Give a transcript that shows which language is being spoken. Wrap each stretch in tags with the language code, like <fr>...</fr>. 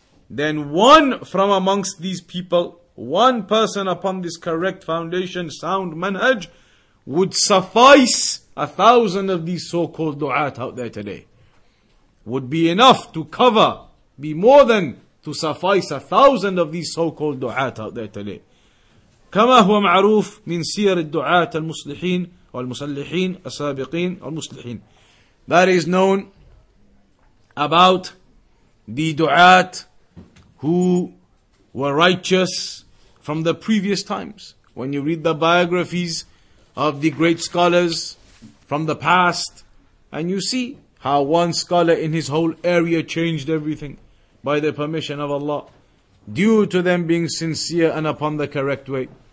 <en>then one from amongst these people, one person upon this correct foundation, sound manhaj, would suffice 1,000 of these so-called du'at out there today. Would be enough to cover, be more than to suffice 1,000 of these so-called du'at out there today.</en> <ar>كما هو معروف من سير الدعاة المصلحين والمسلحين السابقين والمصلحين.</ar> <en>That is known about the du'at who were righteous from the previous times. When you read the biographies of the great scholars from the past, and you see how one scholar in his whole area changed everything by the permission of Allah, due to them being sincere and upon the correct way.</en>